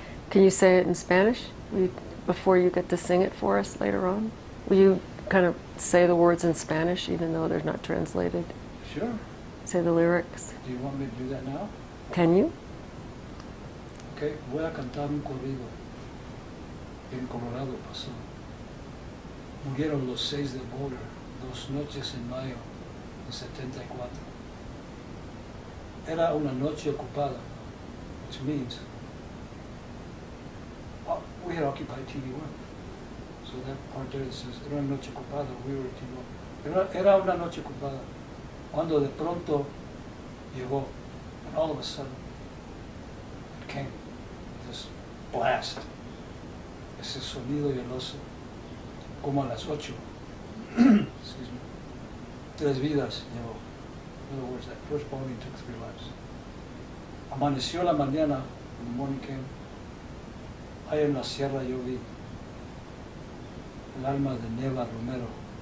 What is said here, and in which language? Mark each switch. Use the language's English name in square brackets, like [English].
[English] Can you say it in Spanish before you get to sing it for us later on? Will you kind of say the words in Spanish even though they're not translated? Sure. Say the lyrics. Do you want me to do that now? Can you? Okay. [Spanish] Voy a cantar un corrido en Colorado pasó. Murieron los seis de Boulder dos noches en mayo de 74. Era una noche ocupada, [English] which means we had occupied TV1. So that part there says, [Spanish] era una noche ocupada, [English] we were TV1. [Spanish] Era una noche ocupada, cuando de pronto llegó, [English] and all of a sudden, it came, this blast, [Spanish] ese sonido lloroso, como a las ocho, [English] excuse me, [Spanish] tres vidas llevó. [English] In other words, that first bombing took three lives. [Spanish] Amaneció la mañana, [English] when the morning came, [Spanish] ahí en la sierra yo vi el alma de Neva Romero.